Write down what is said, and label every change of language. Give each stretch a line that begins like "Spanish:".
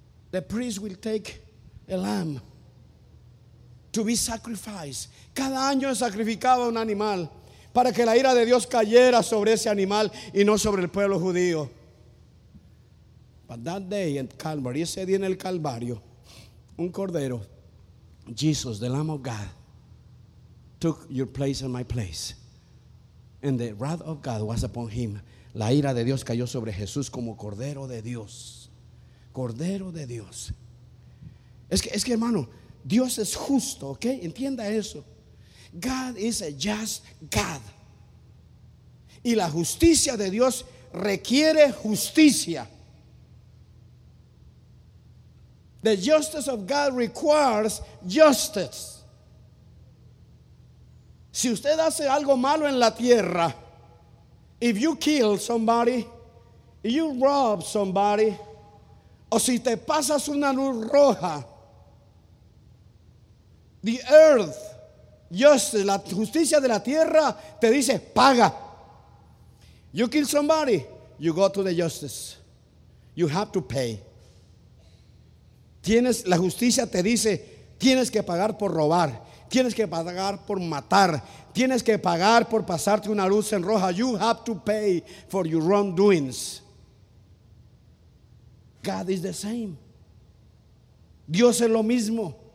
English: The priest will take a lamb to be sacrificed.
Spanish: Cada año sacrificaba un animal para que la ira de Dios cayera sobre ese animal y no sobre el pueblo judío.
English: But that day in Calvary,
Spanish: ese día en el Calvario, un cordero,
English: Jesus, the Lamb of God, took your place and my place. And the wrath of God was upon him.
Spanish: La ira de Dios cayó sobre Jesús como cordero de Dios. Cordero de Dios. Es que hermano, Dios es justo, ¿ok? Entienda eso.
English: God is a just God.
Spanish: Y la justicia de Dios requiere justicia.
English: The justice of God requires justice.
Spanish: Si usted hace algo malo en la tierra,
English: if you kill somebody, you rob somebody,
Spanish: o si te pasas una luz roja,
English: the earth, justice,
Spanish: la justicia de la tierra te dice paga.
English: You kill somebody, you go to the justice. You have to pay.
Spanish: Tienes, la justicia te dice, tienes que pagar por robar, tienes que pagar por matar, tienes que pagar por pasarte una luz en roja.
English: You have to pay for your wrongdoings. God is the same.
Spanish: Dios es lo mismo.